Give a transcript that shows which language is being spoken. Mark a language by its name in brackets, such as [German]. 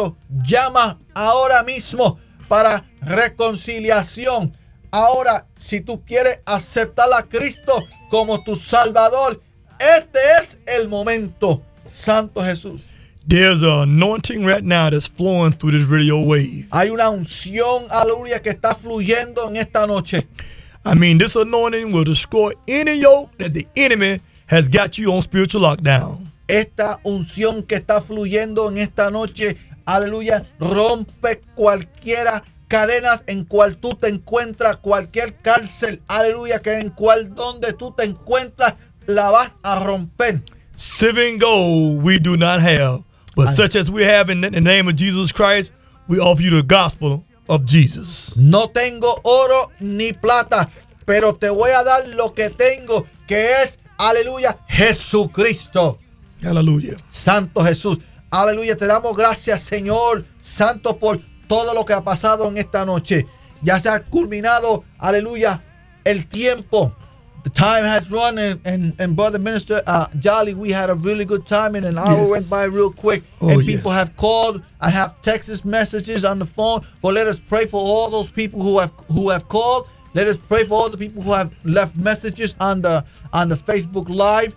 [Spanish] Llama ahora mismo para reconciliación. Ahora, si tú quieres aceptar a Cristo como tu Salvador, este es el momento, Santo Jesús. [English] There's an anointing right now that's flowing through this radio wave. [Spanish] Hay una unción, aleluya, que está fluyendo en esta noche. [English] I mean, this anointing will destroy any yoke that the enemy has got you on spiritual lockdown. [Spanish] Esta unción que está fluyendo en esta noche, aleluya, rompe cualquiera cadenas en cual tú te encuentras, cualquier cárcel, aleluya, que en cual donde tú te encuentras, la vas a romper. [English] Seven gold we do not have, but such as we have in the name of Jesus Christ, we offer you the gospel of Jesus. [Spanish] No tengo oro ni plata, pero te voy a dar lo que tengo, que es, aleluya, Jesucristo. Aleluya. Santo Jesús. Aleluya. Te damos gracias, Señor Santo, por todo lo que ha pasado en esta noche. Ya se ha culminado, aleluya, el tiempo. [English] The time has run, and Brother Minister Jolly, we had a really good time, and an hour yes. went by real quick, oh, and people yes. have called. I have text messages on the phone, but let us pray for all those people who have called. Let us pray for all the people who have left messages on the Facebook Live.